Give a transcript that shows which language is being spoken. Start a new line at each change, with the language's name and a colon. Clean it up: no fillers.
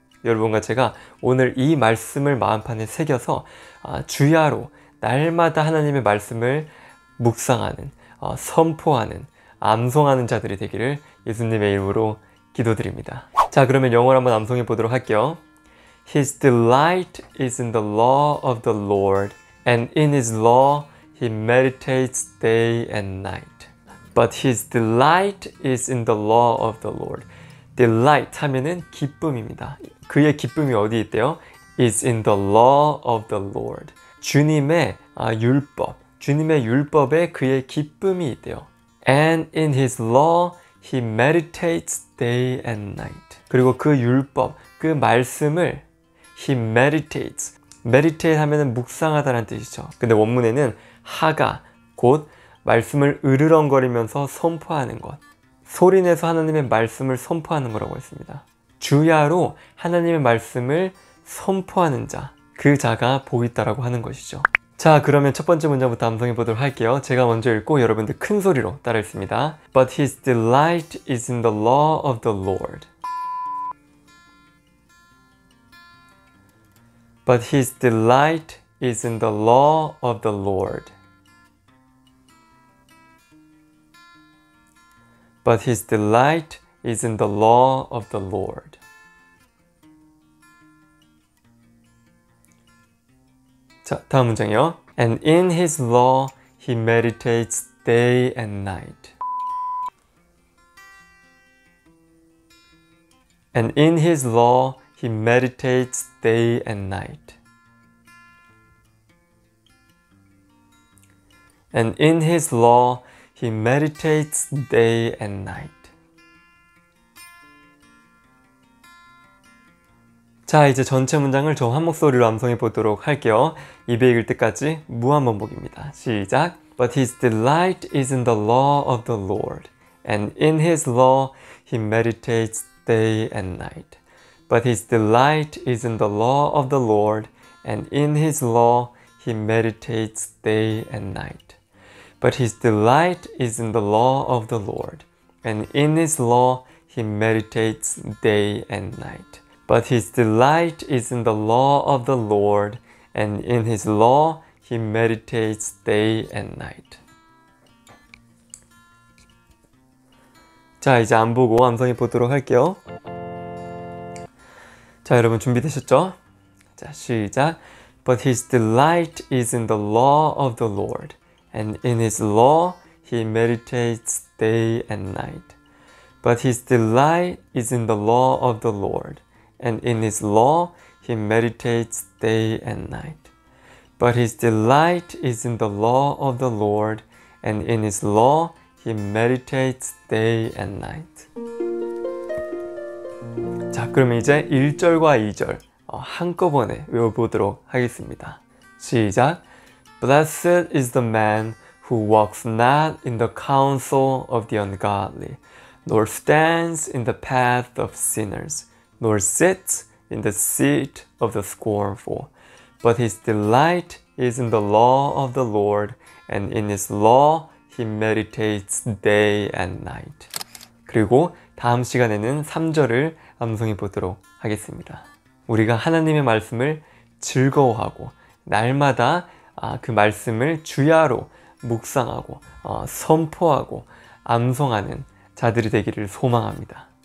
Korean: 여러분과 제가 오늘 이 말씀을 마음판에 새겨서 주야로 날마다 하나님의 말씀을 묵상하는, 선포하는, 암송하는 자들이 되기를 예수님의 이름으로 기도드립니다. 자, 그러면 영어로 한번 암송해 보도록 할게요.
English: His delight is in the law of the Lord, and in his law he meditates day and night. But his delight is in the law of the Lord.
Korean: Delight 하면은 기쁨입니다. 그의 기쁨이 어디에 있대요?
English: Is in the law of the Lord.
Korean: 주님의 율법, 주님의 율법에 그의 기쁨이 있대요.
English: And in his law, he meditates day and night.
Korean: 그리고 그 율법, 그 말씀을
English: he meditates.
Korean: Meditate 하면은 묵상하다라는 뜻이죠. 근데 원문에는 하가, 곧 말씀을 으르렁거리면서 선포하는 것. 소리내서 하나님의 말씀을 선포하는 거라고 했습니다. 주야로 하나님의 말씀을 선포하는 자. 그 자가 보고 있다라고 하는 것이죠. 자, 그러면 첫 번째 문장부터 암송해 보도록 할게요. 제가 먼저 읽고 여러분들 큰 소리로 따라 했습니다.
English: But his delight is in the law of the Lord. But his delight is in the law of the Lord. But his delight is in the law of the Lord.
Korean: 자, 다음 문장이요.
English: And in his law, he meditates day and night. And in his law, he meditates day and night. And in his law, he meditates day and night.
Korean: 자, 이제 전체 문장을 저한 목소리로 암송해 보도록 할게요. 입에 익을 때까지 무한반복입니다. 시작!
English: But his delight is in the law of the Lord, and in his law he meditates day and night. But his delight is in the law of the Lord, and in his law he meditates day and night. But his delight is in the law of the Lord, and in his law he meditates day and night. But his delight is in the law of the Lord, and in his law he meditates day and night.
Korean: 자, 이제 안 보고 암송해 보도록 할게요. 자, 여러분 준비되셨죠? 자, 시작.
English: But his delight is in the law of the Lord, and in his law he meditates day and night. But his delight is in the law of the Lord. And in his law, he meditates day and night. But his delight is in the law of the Lord, and in his law, he meditates day and night.
Korean: 자, 그럼 이제 1절과 2절 한꺼번에 외워보도록 하겠습니다. 시작!
English: Blessed is the man who walks not in the counsel of the ungodly, nor stands in the path of sinners, nor sits in the seat of the scornful. But his delight is in the law of the Lord, and in his law he meditates day and night.
Korean: 그리고 다음 시간에는 3절을 암송해 보도록 하겠습니다. 우리가 하나님의 말씀을 즐거워하고, 날마다 그 말씀을 주야로 묵상하고, 선포하고, 암송하는 자들이 되기를 소망합니다.